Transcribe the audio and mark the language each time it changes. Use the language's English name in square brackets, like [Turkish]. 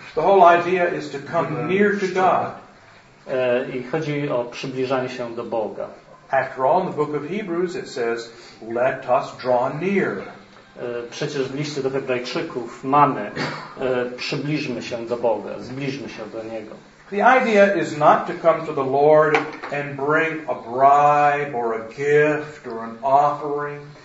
[English] The whole idea is to come near to God. [Polish] I chodzi o przybliżanie się do Boga. [English] After all, in the book of Hebrews it says, let us draw near. [Polish] Przecież w liście do Hebrajczyków mamy przybliżmy się do Boga, zbliżmy się do Niego. [English] The idea is not to come to the Lord and bring a bribe or a gift or an offering.